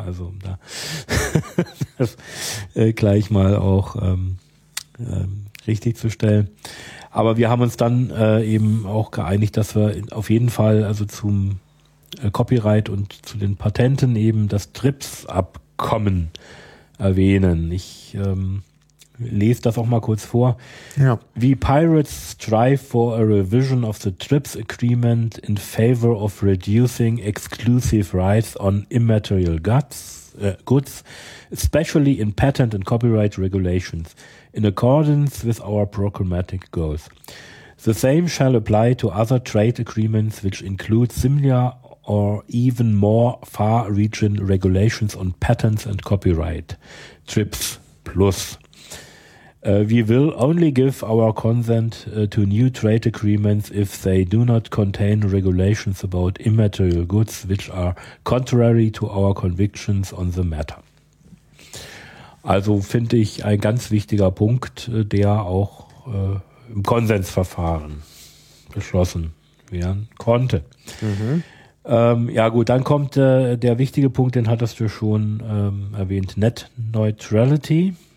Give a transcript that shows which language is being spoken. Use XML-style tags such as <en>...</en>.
<de>Also da das gleich mal auch richtig zu stellen. Aber wir haben uns dann eben auch geeinigt, dass wir auf jeden Fall also zum Copyright und zu den Patenten eben das TRIPS-Abkommen erwähnen. Lest das auch mal kurz vor. Ja.</de> <en>We pirates strive for a revision of the TRIPS agreement in favor of reducing exclusive rights on immaterial goods, especially in patent and copyright regulations, in accordance with our programmatic goals. The same shall apply to other trade agreements which include similar or even more far-reaching regulations on patents and copyright, TRIPS plus. We will only give our consent to new trade agreements if they do not contain regulations about immaterial goods, which are contrary to our convictions on the matter.</en> <de>Also finde ich ein ganz wichtiger Punkt, der auch im Konsensverfahren beschlossen werden konnte. Mhm. Ja gut, dann kommt der wichtige Punkt, den hattest du schon erwähnt, Net Neutrality.</de>